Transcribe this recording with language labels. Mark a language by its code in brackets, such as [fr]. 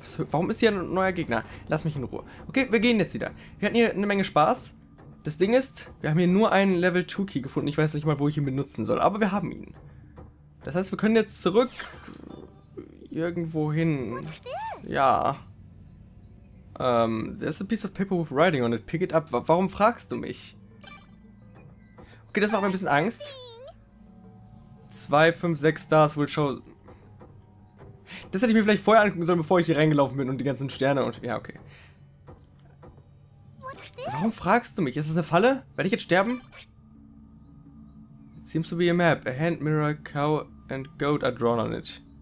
[de] Warum ist hier ein neuer Gegner? Lass mich in Ruhe. Okay, wir gehen jetzt wieder. Wir hatten hier eine Menge Spaß. Das Ding ist, wir haben hier nur einen Level 2 Key gefunden. Ich weiß nicht mal, wo ich ihn benutzen soll. Aber wir haben ihn. Das heißt, wir können jetzt zurück... irgendwo hin. Ja. [en] There's a piece of paper with writing on it. Pick it up. [de] Warum fragst du mich? Okay, das macht mir ein bisschen Angst. [en] 2, 5, 6 Stars will show. [de] Das hätte ich mir vielleicht vorher angucken sollen, bevor ich hier reingelaufen bin und die ganzen Sterne und. Ja, okay. Warum fragst du mich? Ist das eine Falle? Werde ich jetzt sterben? [en] It seems to be a map. A hand mirror, cow and goat are drawn on it.